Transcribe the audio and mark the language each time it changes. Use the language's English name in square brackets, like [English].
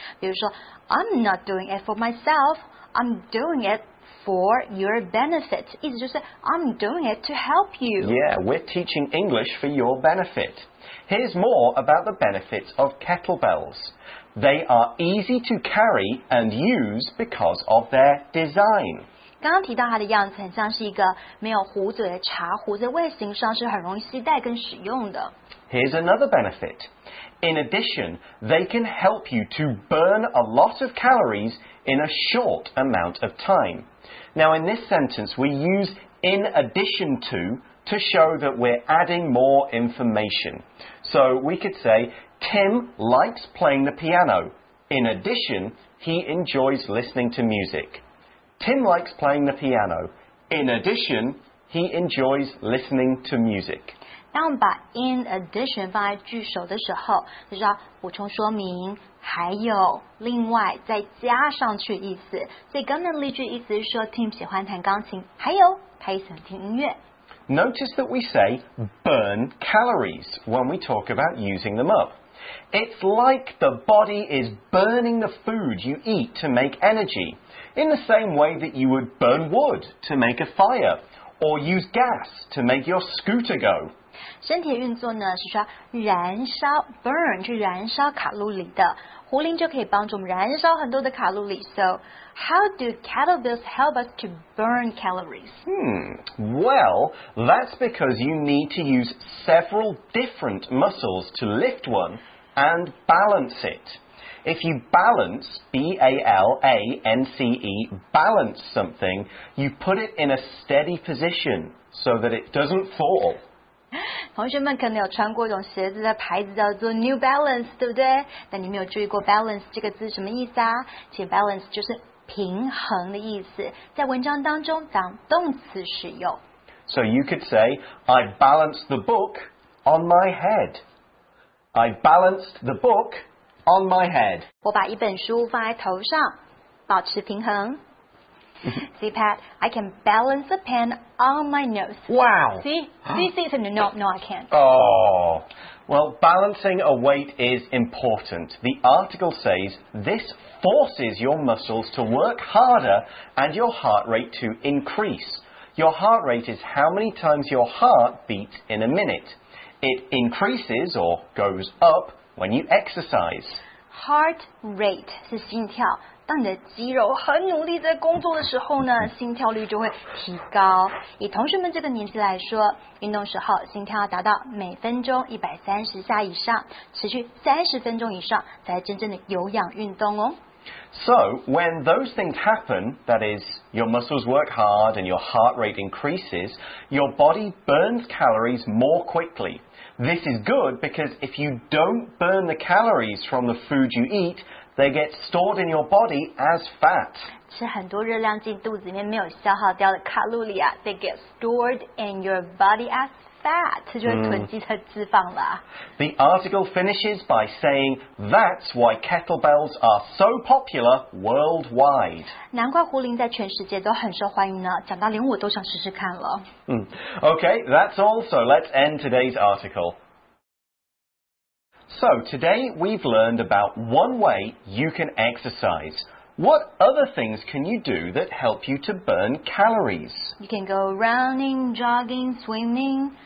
[Chinese] 比如说 [English] ，I'm not doing it for myself. I'm doing it for your benefit. [Chinese] 意思就是 [English] I'm doing it to help you. Yeah, we're teaching English for your benefit. Here's more about the benefits of kettlebells. They are easy to carry and use because of their design. [Chinese] 刚刚提到它的样子很像是一个没有壶嘴的茶壶，在外形上是很容易携带跟使用的。 [English] Here's another benefit. In addition, they can help you to burn a lot of calories in a short amount of time. Now, in this sentence, we use in addition to show that we're adding more information. So we could say, Tim likes playing the piano. In addition, he enjoys listening to music. Tim likes playing the piano. In addition, he enjoys listening to music. [Chinese] 当我们把 [English] in addition [Chinese] 放在句首的时候，就是要补充说明，还有另外再加上去意思。所以刚刚的例句意思是说 ，Tim 喜欢弹钢琴，还有他也喜欢听音乐。 [English] Notice that we say burn calories when we talk about using them up. It's like the body is burning the food you eat to make energy. In the same way that you would burn wood to make a fire, or use gas to make your scooter go. [Chinese] 身体的运作呢是说燃烧 burn 是燃烧卡路里的，壶铃就可以帮助我们燃烧很多的卡路里。 [English] So, how do kettlebells help us to burn calories? Well, that's because you need to use several different muscles to lift one and balance it. If you balance, B-A-L-A-N-C-E, balance something, you put it in a steady position so that it doesn't fall. [Chinese] 同学们可能有穿过一种鞋子的牌子叫做 New Balance, 对不对？但你没有注意过 balance 这个字什么意思啊？其实 balance 就是平衡的意思，在文章当中当动词使用。 [English] So you could say, I balanced the book on my head. I balanced the book... On my head. [Chinese] 我把一本书放在头上，保持平衡。 [English] See, Pat, I can balance a pen on my nose. Wow. See? No, I can't. Oh. Well, balancing a weight is important. The article says this forces your muscles to work harder and your heart rate to increase. Your heart rate is how many times your heart beats in a minute. It increases or goes up. When you exercise, [Chinese] heart rate 是心跳。当你的肌肉很努力在工作的时候呢，心跳率就会提高。以同学们这个年纪来说，运动时候心跳要达到每分钟130下以上，持续30分钟以上，才真正的有氧运动哦。 [English] So when those things happen, that is, your muscles work hard and your heart rate increases, your body burns calories more quickly. This is good because if you don't burn the calories from the food you eat, they get stored in your body as fat. [Chinese] 吃很多热量进肚子里面没有消耗掉的卡路里啊 [English] they get stored in your body as fat. [Chinese] 就会囤积成脂肪了。 [English] The article finishes by saying, that's why kettlebells are so popular worldwide. [Chinese] 难怪壶铃在全世界都很受欢迎呢，讲到连我都想试试看了。 [English] Okay, that's all, so let's end today's article. So, today we've learned about one way you can exercise. What other things can you do that help you to burn calories? You can go running, jogging, swimming.